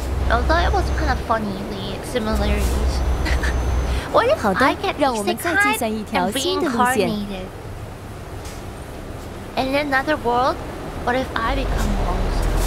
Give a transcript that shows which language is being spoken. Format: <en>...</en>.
<en>Although it was kind of funny, the similarities. What if</en> <zh>好的，</zh> <en>I get</en> <zh>让我们再计算一条新的路线。</zh> <en>In another world, what if I become bones?</en>